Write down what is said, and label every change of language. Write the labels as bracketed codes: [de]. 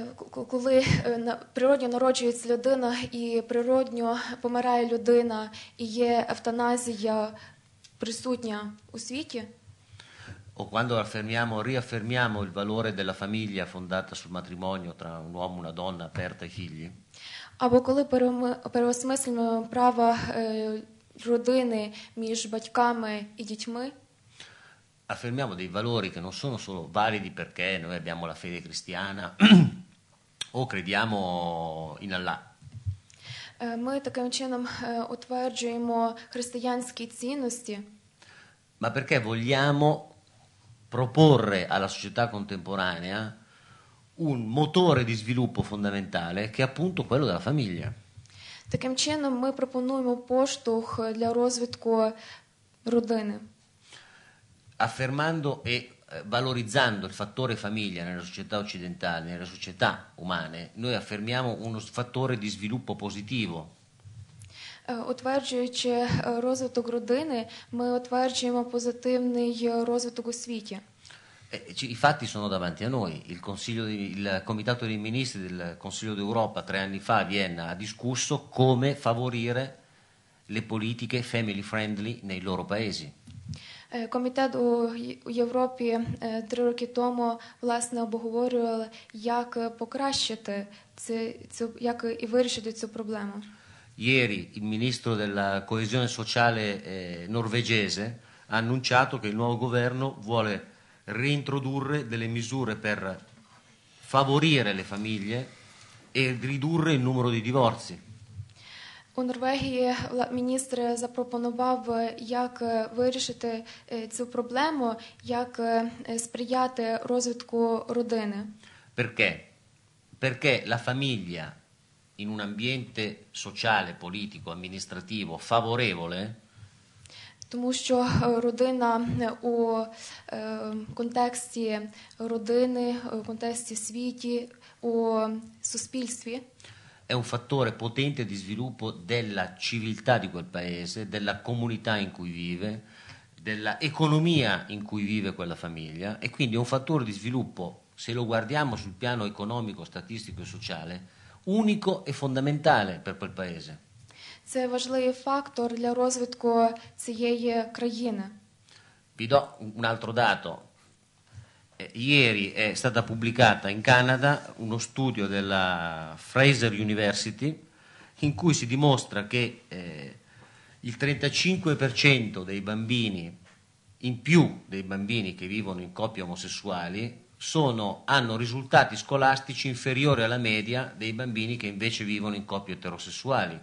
[uk] коли природньо народжується людина і природньо помирає людина, і є евтаназія присутня у світі. [it] O quando affermiamo, riaffermiamo il valore della famiglia fondata sul matrimonio tra un uomo e una donna aperta ai figli. [uk] Або коли переосмислюємо право родини між батьками і дітьми. [it] Affermiamo dei valori che non sono solo validi perché noi abbiamo la fede cristiana. O crediamo in Allah. [uk] Ми таким чином утверджуємо християнські цінності. [it] Ma perché vogliamo proporre alla società contemporanea un motore di sviluppo fondamentale che è appunto quello della famiglia. [uk] Таким чином ми пропонуємо поштовх для розвитку родини. [it] Affermando e valorizzando il fattore famiglia nella società occidentale, nella società umane, noi affermiamo uno fattore di sviluppo positivo. [uk] Утверджуючи розвиток родини, ми утверджуємо позитивний розвиток у світі. [it] I fatti sono davanti a noi. Il Comitato dei Ministri del Consiglio d'Europa 3 anni fa a Vienna ha discusso come favorire le politiche family friendly nei loro paesi. [uk] Комітет у Європі три роки тому, власне, обговорювали, як покращити це, цю, як і вирішити цю проблему. [it] Ieri il ministro della coesione sociale norvegese ha annunciato che il nuovo governo vuole reintrodurre delle misure per favorire le famiglie e ridurre il numero di divorzi. [uk] У Норвегії міністр запропонував, як вирішити цю проблему, як сприяти розвитку родини. [it] Perché? Perché la famiglia in un ambiente sociale, politico, amministrativo favorevole? [uk] Тому що родина у контексті родини, у контексті світі, у суспільстві [it] è un fattore potente di sviluppo della civiltà di quel paese, della comunità in cui vive, dell'economia in cui vive quella famiglia, e quindi è un fattore di sviluppo, se lo guardiamo sul piano economico, statistico e sociale, unico e fondamentale per quel paese. [uk] Це важливий фактор для розвитку цієї країни. [it] Vi do un altro dato. Ieri è stata pubblicata in Canada uno studio della Fraser University in cui si dimostra che il 35% dei bambini, in più dei bambini che vivono in coppie omosessuali, hanno risultati scolastici inferiori alla media dei bambini che invece vivono in coppie eterosessuali.